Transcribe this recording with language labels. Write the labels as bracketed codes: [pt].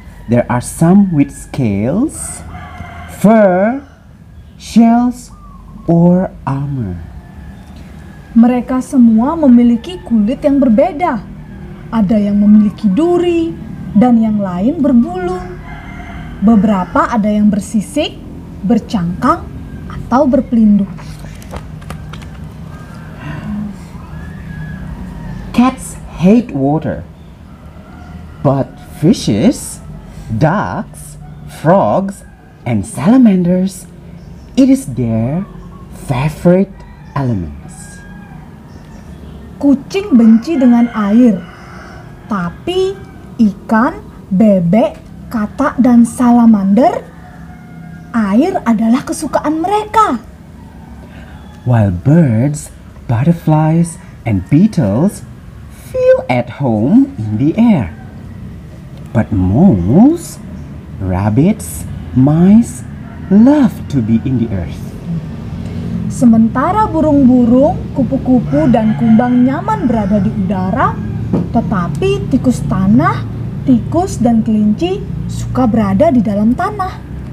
[en] There are some with scales, fur, shells, or armor. [id] Mereka semua memiliki kulit yang berbeda. Ada yang memiliki duri, dan yang lain berbulu. Beberapa ada yang bersisik, bercangkang, atau berpelinduk. [en] Cats hate water, but fishes, ducks, frogs, and salamanders, it is their favorite elements. [id] Kucing benci dengan air, tapi ikan, bebek, katak, dan salamander, air adalah kesukaan mereka. [en] While birds, butterflies, and beetles feel at home in the air. But moles, rabbits, mice love to be in the earth. [id] Sementara burung-burung, kupu-kupu, dan kumbang nyaman berada di udara, tetapi tikus tanah, tikus, dan kelinci suka berada di dalam tanah.